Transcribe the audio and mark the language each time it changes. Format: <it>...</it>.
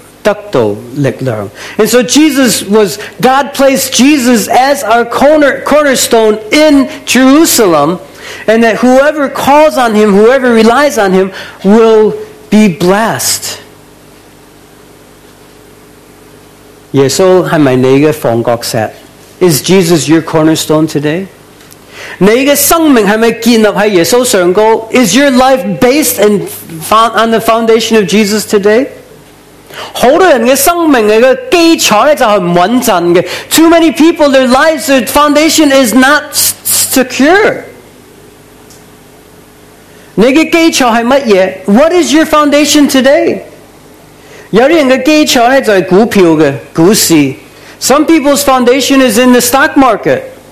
<en>And so God placed Jesus as our cornerstone in Jerusalem, and that whoever calls on him, whoever relies on him, will be blessed.</en> <zh>耶稣是不是你的房角石？</zh> <en>Is Jesus your cornerstone today?</en> <zh>你的生命是否建立在耶稣上高?</zh> <en>Is your life based on the foundation of Jesus today?</en> <zh>很多人的生命的基础就是不稳定的。</zh> <en>Too many people, their lives, their foundation is not secure.</en> <zh>你的基础是什么?</zh> <en>What is your foundation today?</en> <zh>有些人的基础就是股票的股市。</zh> <en>Some people's foundation is in the stock market.</en>